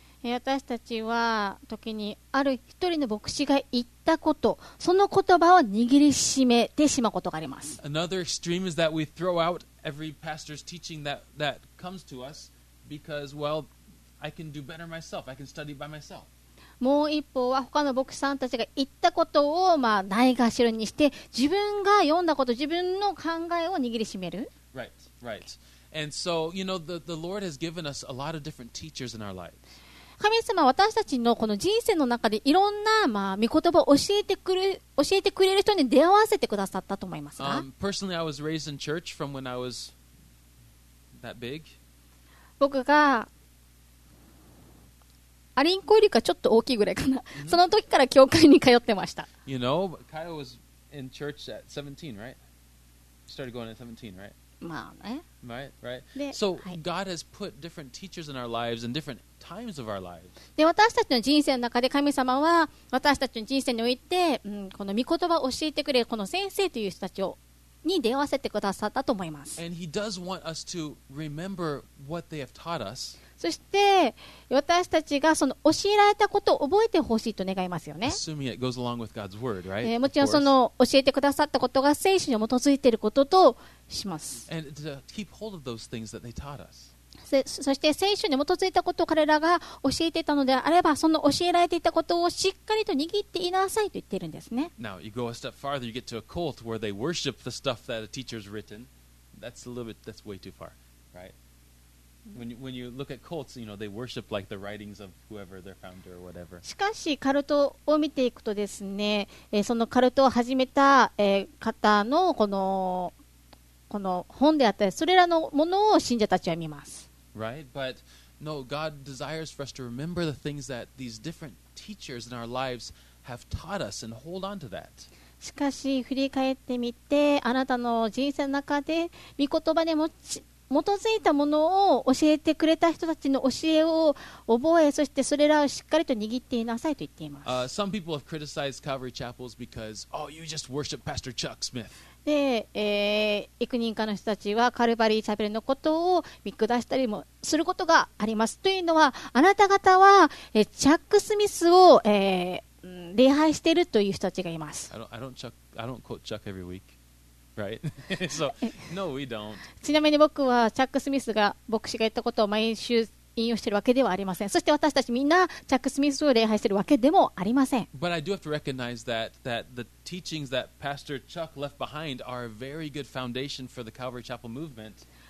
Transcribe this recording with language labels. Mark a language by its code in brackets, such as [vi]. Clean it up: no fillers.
[ja] 私たちは時にある一人の牧師が言ったこと、その言葉を握りしめてしまうことがあります。 [en] Another extreme is that we throw out every pastor's teaching that comes to us because, well, I can do better myself. I can study by myself. [ja] もう一方は他の牧師さんたちが言ったことをまあないがしろにして自分が読んだこと、自分の考えを握りしめる。 [en] Right, right. And so, you know, the Lord has given us a lot of different teachers in our lives. [ja] 神様は私たちのこの人生の中でいろんなまあ御言葉を教えてくれる人に出会わせてくださったと思いますか。 [en] Personally, I was raised in church from when I was that big. [ja] 僕がアリンコよりかちょっと大きいぐらいかな。その時から教会に通ってました。 [en] You know, Kyle was in church at 17, right? Started going at 17, right? [ja] まあね、 [en] right, right. So、 [ja] はい、 [en] God has put different teachers in our lives and different times of our lives. [ja] で、私たちの人生の中で神様は私たちの人生において、この御言葉を教えてくれるこの先生という人たちをに出会わせてくださったと思います。 [en] And He does want us to remember what they have taught us. [ja] そして私たちがその教えられたことを覚えてほしいと願いますよね。 [en] Assuming it goes along with God's word, right? [ja] もちろんその教えてくださったことが聖書に基づいていることとします。 [en] And to keep hold of those things that they taught us. [ja] そして聖書に基づいたことを彼らが教えていたのであれば、その教えられていたことをしっかりと握っていなさいと言っているんですね。 [en] Now you go a step farther, you get to a cult where they worship the stuff that a teacher's written. That's a little bit, that's way too far, right? When you look at cults, you know, they worship like the writings of whoever their founder or whatever. [ja] しかしカルトを見ていくとですね、そのカルトを始めた、方のこの本であったり、それらのものを信者たちは見ます。 [en] Right, but no, God desires for us to remember the things that these different teachers in our lives have taught us and hold on to that. [ja] しかし振り返ってみて、あなたの人生の中で御言葉で基づいたものを教えてくれた人たちの教えを覚え、そしてそれらをしっかりと握っていなさいと言っています。 [en] Some people have criticized Calvary Chapels because, oh, you just worship Pastor Chuck Smith. [ja] で、幾人かの人たちはカルバリーチャペルのことを見下したりもすることがあります。というのは、あなた方は、チャック・スミスを、礼拝しているという人たちがいます。 [en] I don't quote Chuck every week, right? So, no, we don't. [ja] ちなみに僕はチャック・スミスが牧師が言ったことを毎週引用しているわけではありません。そして私たちみんなチャック・スミスを礼拝しているわけでもありません。 [en] But I do have to recognize that the teachings that Pastor Chuck left behind are a very good foundation for the Calvary Chapel movement.